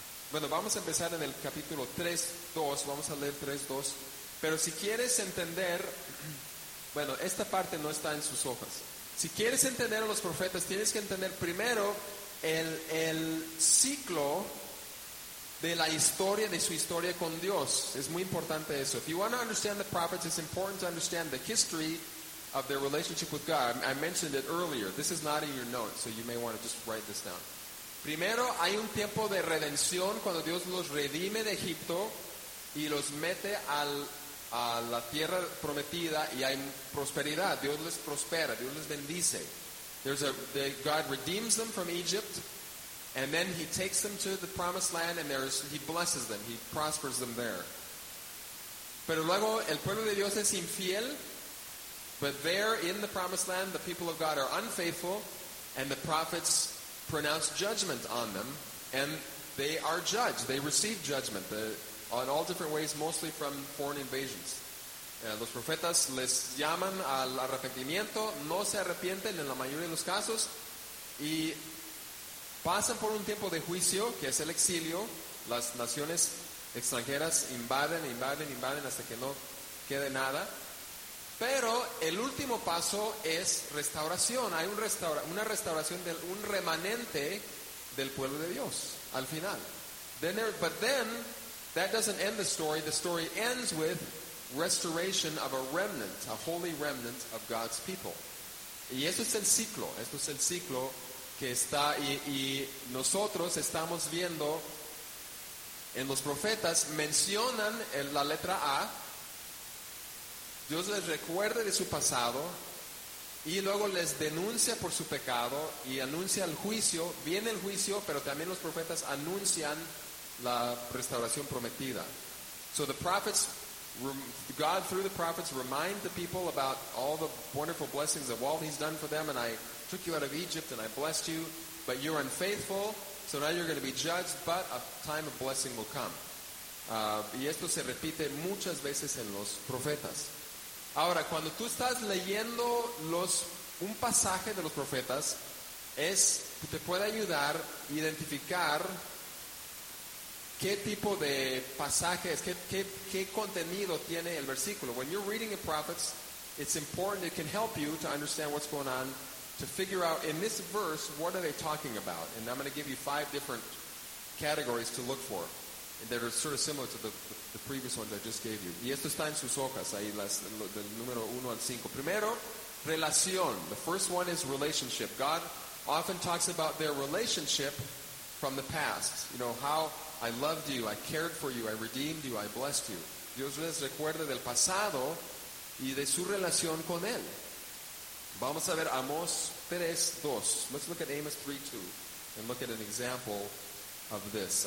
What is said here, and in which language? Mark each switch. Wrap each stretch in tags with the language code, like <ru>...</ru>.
<es>Bueno, vamos a empezar en el capítulo 3:2, vamos a leer 3:2, pero si quieres entender, bueno, esta parte no está en sus hojas. Si quieres entender a los profetas, tienes que entender primero el ciclo de la historia, de su historia con Dios. Es muy importante eso.</es> <en>If you want to understand the prophets, it's important to understand the history of their relationship with God. I mentioned it earlier. This is not in your notes, so you may want to just write this down.</en> <es>Primero, hay un tiempo de redención cuando Dios los redime de Egipto y los mete a la tierra prometida y hay prosperidad. Dios les prospera, Dios les bendice.</es> <en>God redeems them from Egypt and then he takes them to the promised land and he blesses them, he prospers them there.</en> <es>Pero luego, el pueblo de Dios es infiel,</es> <en>but there in the promised land, the people of God are unfaithful and the prophets pronounce judgment on them, and they are judged. They receive judgment in all different ways, mostly from foreign invasions.</en> <es>Los profetas les llaman al arrepentimiento, no se arrepienten en la mayoría de los casos, y pasan por un tiempo de juicio, que es el exilio. Las naciones extranjeras invaden hasta que no quede nada. Pero el último paso es restauración. Hay una restauración de un remanente del pueblo de Dios al final.</es> <en>But then, that doesn't end the story. The story ends with restoration of a remnant, a holy remnant of God's people.</en> <es>Y eso es el ciclo. Esto es el ciclo que está. Y nosotros estamos viendo en los profetas, mencionan en la letra A. Dios les recuerda de su pasado y luego les denuncia por su pecado y anuncia el juicio. Viene el juicio, pero también los profetas anuncian la restauración prometida.</es> <en>So the prophets, God through the prophets remind the people about all the wonderful blessings of all he's done for them, and I took you out of Egypt and I blessed you, but you're unfaithful, so now you're going to be judged, but a time of blessing will come.</en> <es>Y esto se repite muchas veces en los profetas. Ahora, cuando tú estás leyendo un pasaje de los profetas, te puede ayudar a identificar qué tipo de pasaje es, qué contenido tiene el versículo.</es> <en>When you're reading the prophets, it's important, it can help you to understand what's going on, to figure out, in this verse, what are they talking about? And I'm going to give you 5 different categories to look for that are sort of similar to the previous ones I just gave you.</en> <es>Y esto está en sus hojas, ahí del número 1 al 5. Primero, relación.</es> <en>The first one is relationship. God often talks about their relationship from the past. You know, how I loved you, I cared for you, I redeemed you, I blessed you.</en> <es>Dios les recuerda del pasado y de su relación con él. Vamos a ver Amos 3:2.</es> <en>Let's look at Amos 3:2 and look at an example of this.</en>